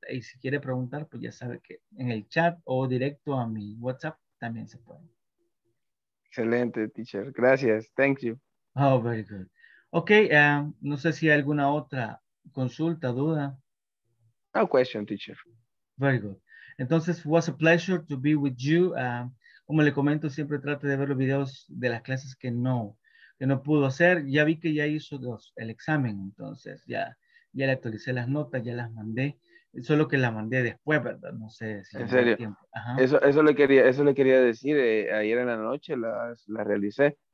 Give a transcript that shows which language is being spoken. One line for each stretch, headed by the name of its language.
Spanish: Y si quiere preguntar, pues ya sabe que en el chat o directo a mi WhatsApp también se puede.
English: Excelente teacher, gracias, thank you. Oh, very good.
Spanish: Ok, no sé si hay alguna otra consulta, duda.
English: No question, teacher. Very good. Entonces, was a pleasure to be with you.
Spanish: Como le comento, siempre trate de ver los videos de las clases que no pudo hacer. Ya vi que ya hizo el examen, entonces ya le actualicé las notas, ya las mandé. Solo que la mandé después, ¿verdad? No sé si en serio. Ajá. Eso le quería decir, ayer en la noche las realicé.